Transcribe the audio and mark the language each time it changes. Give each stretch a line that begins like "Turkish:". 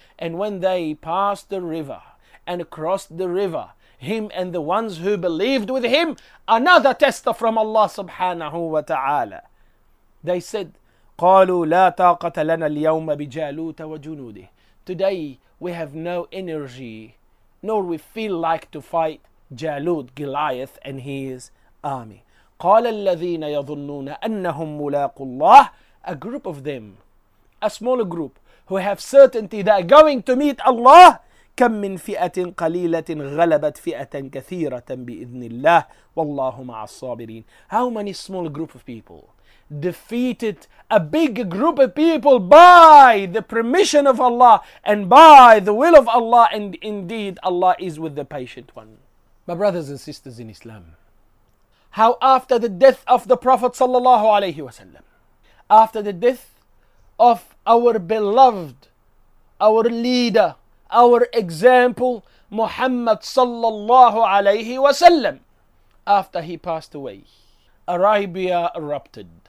English: And when they passed the river and crossed the river, him and the ones who believed with him, another test from Allah subhanahu wa ta'ala. They said,
Arabic: قَالُوا لَا طَاقَةَ لَنَا الْيَوْمَ بِجَالُوتَ وَجُنُودِهِ.
English: Today, we have no energy nor we feel like to fight Jalut, Goliath, and his army.
Arabic: قال الذين يظنون أنهم ملاقوا الله.
English: A group of them, a smaller group, who have certainty that are going to meet Allah.
Arabic: كم من فئة قليلة غلبت فئة كثيرة بإذن الله والله مع الصابرين.
English: How many small group of people defeated a big group of people by the permission of Allah and by the will of Allah, and indeed Allah is with the patient one. My brothers and sisters in Islam, how after the death of the Prophet sallallahu alayhi wasallam, after the death of our beloved, our leader, our example, Muhammad sallallahu alayhi wasallam, after he passed away, Arabia erupted.